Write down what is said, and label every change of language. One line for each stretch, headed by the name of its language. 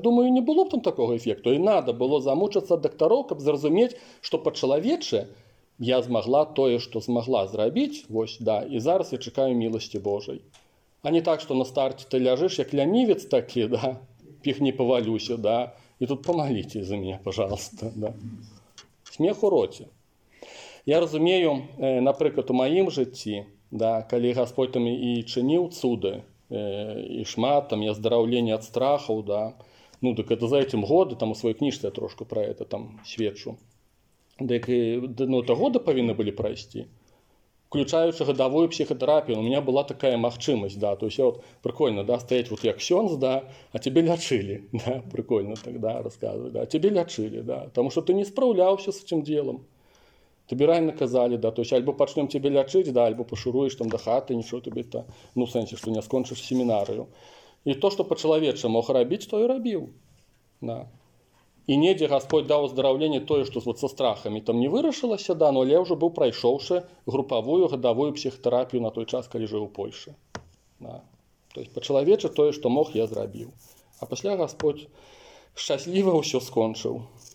Ukrainian: Я думаю, не було б там такого ефекту. І треба було замучитися від докторів, щоб зрозуміти, що по-чоловічі я змогла те, що змогла зробити. Ось, да, і зараз я чекаю милості Божої. А не так, що на старті ти ляжеш, як лянівець такий, да, піхні повалюся, да.
Russian: И тут помолите за меня, пожалуйста.
Ukrainian: Да. Смех у роті. Я розумію, наприклад, у моїм житті, да, коли Господь там і чинив цуди, і шмат, там, і оздоровлення від страху, да, ну, так це за цим роки, там у своїй книжці я трошки про це там свідчу, так, ну, це роки повинні були пройти, включаючи годовую психотерапію, у мене була така можливість, да, то есть я от прикольно, да, стоять вот як ксёнз, да, а тебе лячили, да,
Russian: прикольно тогда рассказывать, да, а тебе лячили, да, потому что ты не справлялся с этим делом. Тебе реально казали, да, то есть альбо почнём тебе лячить, да, альбо пошуруешь там до хаты, ничего тебе-то, ну, в смысле, что не скончишь семинарию.
Ukrainian: І то, що по-чоловічі мог робити, то і робив. Да.
Belarusian: І недзе Господь дав оздоровлення тое, што вот со страхамі там не вырашылася, да, але я ўжо быў прайшоўшы групавую гадавую псіхатэрапію на той час, калі жыў у Польшы. Да. То есть па-чалавечы тое, што мог, я зрабіў. А пасля Господь шчасліва ўсё скончыў.